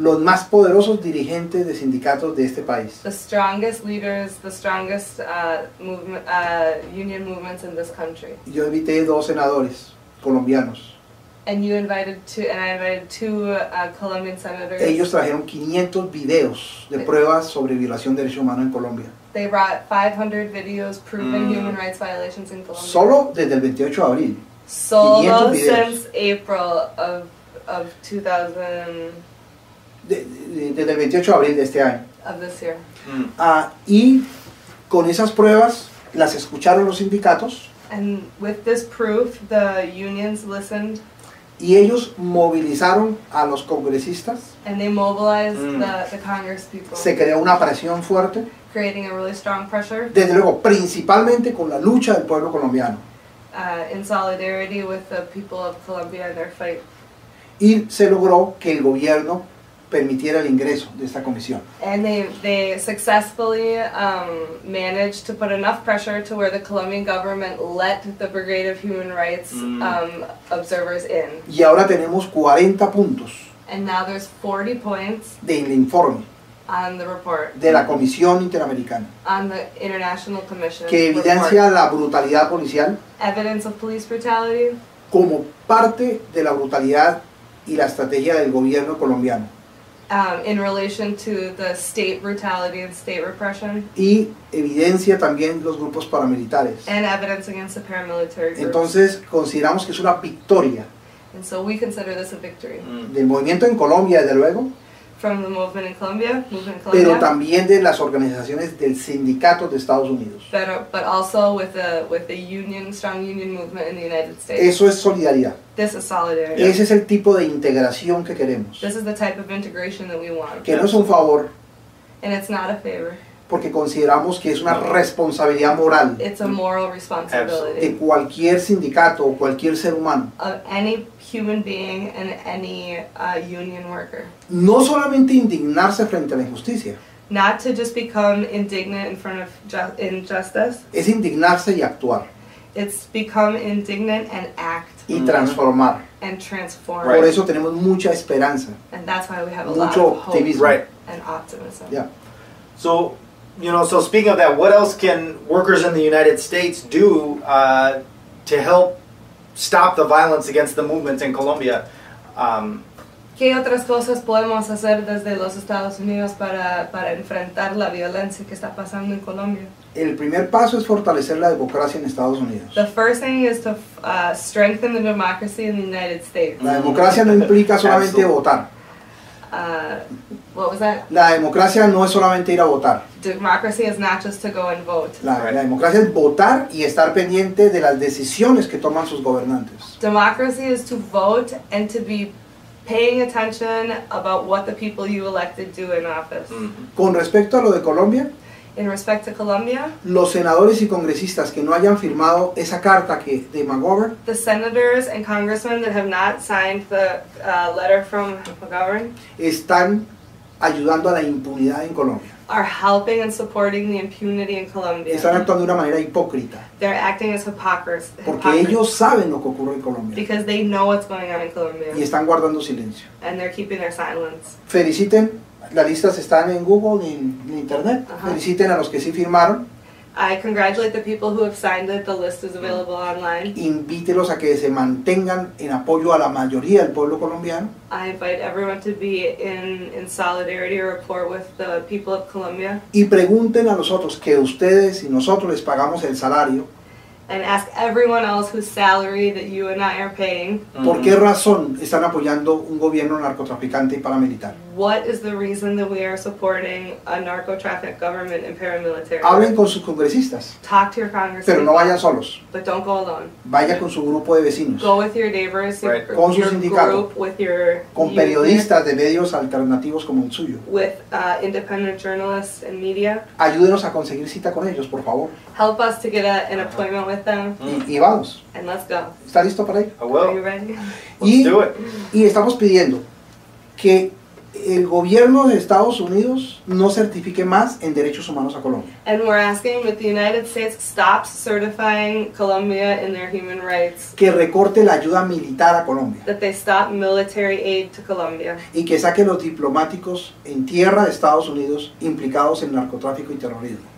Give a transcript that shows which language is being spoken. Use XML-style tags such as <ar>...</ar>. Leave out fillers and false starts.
<es>Los más poderosos dirigentes de sindicatos de este país.</es> <en>The strongest leaders, the strongest union movements in this country.</en> <es>Yo invité dos senadores colombianos.</es> <en>And I invited two Colombian senators.</en> <es>Ellos trajeron 500 videos de pruebas sobre violación de derechos humanos en Colombia.</es> <en>They brought 500 videos proving human rights violations in Colombia.</en> <es>Solo desde el 28 de abril.</es> <en>solo since April of 2000.</en> <es>Desde el 28 de abril de este año.</es> <en>Of this year.</en> <es>Y con esas pruebas, las escucharon los sindicatos.</es> <en>And with this proof, the unions listened.</en> <es>Y ellos movilizaron a los congresistas.</es> <en>And they mobilized the congress people.</en> <es>Se creó una presión fuerte.</es> <en>Creating a really strong pressure.</en> <es>Desde luego, principalmente con la lucha del pueblo colombiano.</es> <en>In solidarity with the people of Colombia and their fight.</en> <es>Y se logró que el gobierno permitiera el ingreso de esta comisión.</es> <en>And they successfully managed to put enough pressure to where the Colombian government let the Brigade of Human Rights observers in.</en> <es>Y ahora tenemos 40 puntos.</es> <en>And now there's 40 points.</en> <es>Del informe.</es> <en>On the report.</en> <es>De la Comisión Interamericana.</es> <en>On the International Commission.</en> <es>Que evidencia la brutalidad policial.</es> <en>Evidence of police brutality.</en> <es>Como parte de la brutalidad y la estrategia del gobierno colombiano.</es> <en>In relation to the state brutality and state repression.</en> <es>Y evidencia también los grupos paramilitares.</es> <en>And evidence against the paramilitary groups.</en> <es>Entonces consideramos que es una victoria.</es> <en>And so we consider this a victory.</en> <es>Del movimiento en Colombia, desde luego.</es> <en>From the movement in Colombia,</en> <es>pero también de las organizaciones del sindicato de Estados Unidos.</es> <en>But also with the union, strong union movement in the United States.</en> <es>Eso es solidaridad.</es> <en>This is solidarity.</en> <es>Ese es el tipo de integración que queremos.</es> <en>This is the type of integration that we want.</en> <es>Que no es un favor.</es> <en>And it's not a favor.</en> <es>Porque consideramos que es una responsabilidad moral.</es> <en>It's a moral responsibility.</en> <es>De cualquier sindicato o cualquier ser humano.</es> <en>Of any human being and any union worker.</en> <es>No solamente indignarse frente a la injusticia.</es> <en>Not to just become indignant in front of injustice.</en> <es>Es indignarse y actuar.</es> <en>It's become indignant and act.</en> <es>Y transformar.</es> <en>And transform.</en> <es>Right. Por eso tenemos mucha esperanza.</es> <en>And that's why we have</en> <es>mucho</es> <en>a lot of hope optimism. Right. And optimism. Yeah. So, you know, so speaking of that, what else can workers in the United States do to help stop the violence against the movements in Colombia?</en> <es>¿Qué otras cosas podemos hacer desde los Estados Unidos para enfrentar la violencia que está pasando en Colombia? El primer paso es fortalecer la democracia en Estados Unidos.</es> <en>The first thing is to strengthen the democracy in the United States.</en> <es>La democracia no implica solamente votar.</es> <en>What was that?</en> <es>La democracia no es solamente ir a votar.</es> <en>Democracy is not just to go and vote.</en> <es>La democracia es votar y estar pendiente de las decisiones que toman sus gobernantes.</es> <en>Democracy is to vote and to be paying attention about what the people you elected do in office.</en> <es>Con respecto a lo de Colombia,</es> <en>in respect to Colombia,</en> <es>los senadores y congresistas que no hayan firmado esa carta que de McGovern,</es> <en>the senators and congressmen that have not signed the letter from McGovern,</en> <es>están ayudando a la impunidad en Colombia.</es> <en>Are helping and supporting the impunity in Colombia.</en> <es>Están actuando de una manera hipócrita.</es> <en>They're acting as hypocrites.</en> <es>Porque ellos saben lo que ocurre en Colombia.</es> <en>Because they know what's going on in Colombia.</en> <es>Y están guardando silencio.</es> <en>And they're keeping their silence.</en> <es>Feliciten. Las listas están en Google y en Internet. Uh-huh. Feliciten a los que sí firmaron.</es> <en>I congratulate the people who have signed it. The list is available online.</en> <es>Invítelos a que se mantengan en apoyo a la mayoría del pueblo colombiano.</es> <en>I invite everyone to be in solidarity or report with the people of Colombia.</en> <es>Y pregunten a los otros que ustedes y nosotros les pagamos el salario.</es> <en>And ask everyone else whose salary that you and I are paying.</en> <es>¿Por qué razón están apoyando un gobierno narcotraficante y paramilitar?</es> <en>What is the reason that we are supporting a narcotraffic government and paramilitary?</en> <es>Hablen con sus congresistas.</es> <en>Talk to your congressmen.</en> <es>Pero no vayan solos.</es> <en>But don't go alone.</en> <es>Vaya con su grupo de vecinos.</es> <en>Go with your neighbors. Right.</en> <es>Con su sindicato.</es> <en>Group, with your</en> <es>con periodistas de medios alternativos como el suyo.</es> <en>With independent journalists and media.</en> <es>Ayúdenos a conseguir cita con ellos, por favor.</es> <en>Help us to get an appointment with them.</en> <es>Y vamos.</es> <en>And let's go.</en> <es>¿Está listo para ir?</es> <en>I will. Are you ready?</en> <es>Y estamos pidiendo que el gobierno de Estados Unidos no certifique más en derechos humanos a Colombia.</es> <en>And we're asking that the United States stops certifying Colombia in their human rights.</en> <es>Que recorte la ayuda militar a Colombia.</es> <en>That they stop military aid to Colombia.</en> <es>Y que saque los diplomáticos en tierra de Estados Unidos implicados en narcotráfico y terrorismo.</es>